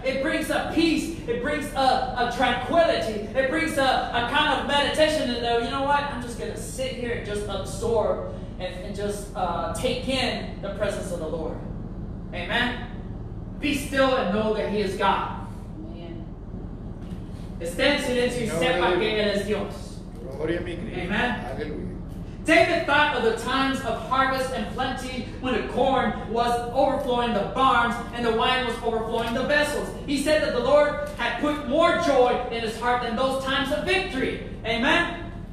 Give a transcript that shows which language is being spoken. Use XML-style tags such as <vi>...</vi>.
<en>It brings a peace. It brings a tranquility. It brings a kind of meditation that, you know what? I'm just going to sit here and just absorb and just take in the presence of the Lord. Amen? Be still and know that he is God. Amen.</en> <es>Estén silencio y sepa que él es Dios. Gloria a mi Cristo. Amen? Aleluya.</es> <en>David thought of the times of harvest and plenty when the corn was overflowing the barns and the wine was overflowing the vessels. He said that the Lord had put more joy in his heart than those times of victory. Amen?</en>